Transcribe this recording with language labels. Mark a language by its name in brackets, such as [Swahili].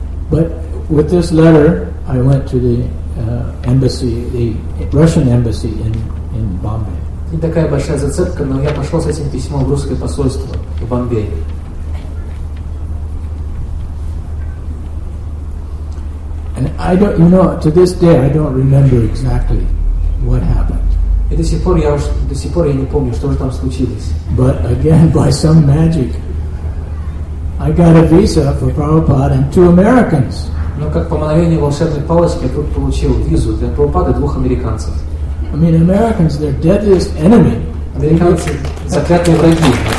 [English] But with this letter, I went to the embassy, the Russian embassy in Bombay. [Russian] Не такая большая зацепка, но я пошел с этим письмом в русское посольство в Бомбее. [English] And I don't, you know, to this day, I don't remember exactly what happened. [Russian] До сих пор я не помню, что же там случилось. [English] But again, by some magic, I got a visa for Prabhupada and two Americans. [Russian] Но как по мановению волшебной палочки я тут получил визу для Прабхупады и двух американцев. [English] I mean, Americans, they're deadliest enemy. [Russian] Американцы заклятые враги.